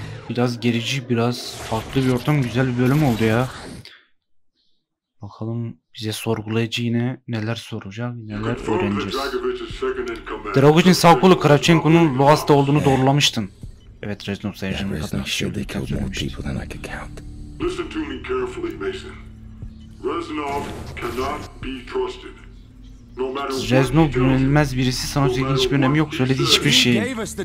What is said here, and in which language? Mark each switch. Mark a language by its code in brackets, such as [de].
[tr] Biraz gerici, biraz farklı bir ortam, güzel bir bölüm oldu ya. Bakalım bize sorgulayıcı yine neler soracak, neler öğreneceğiz. Dragovic'in sağ kolu Kravchenko'nun Luas'ta olduğunu doğrulamıştın. Evet, Reznov Sayıcı'nın bir kadın kişiye öldüğü kez öğrenmiştin. [en] Listen to me carefully, Mason. Reznov cannot be trusted. [tr] Reznov güvenilmez birisi, sana söylediği hiçbir önemi yok, söylediği hiçbir şey.